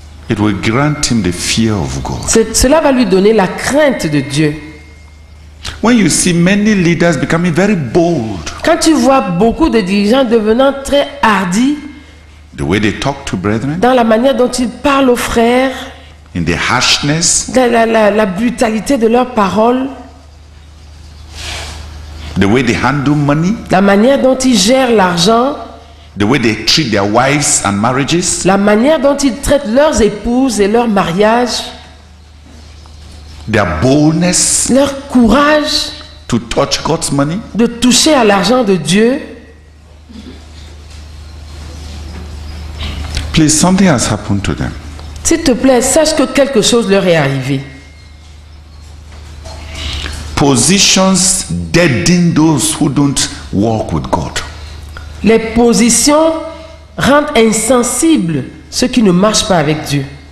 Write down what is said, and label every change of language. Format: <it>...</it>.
<en>It will grant him the fear of God.</en> <fr>Cela va lui donner la crainte de Dieu.</fr> <en>When you see many leaders becoming very bold.</en> <fr>Quand tu vois beaucoup de dirigeants devenant très hardis.</fr> <en>The way they talk to brethren.</en> <fr>Dans la manière dont ils parlent aux frères.</fr> <en>In the harshness.</en> <fr>La brutalité de leurs paroles.</fr> <en>The way they handle money.</en> <fr>La manière dont ils gèrent l'argent.</fr> <en>The way they treat their wives and marriages.</en> <fr>La manière dont ils traitent leurs épouses et leurs mariages.</fr> <en>Their boldness.</en> <fr>Leur courage.</fr> <en>To touch God's money.</en> <fr>De toucher à l'argent de Dieu.</fr> <en>Please, something has happened to them.</en> <fr>S'il te plaît, sache que quelque chose leur est arrivé.</fr> <en>Positions deaden those who don't walk with God.</en> <fr>Les positions rendent insensibles ceux qui ne marchent pas avec Dieu.</fr>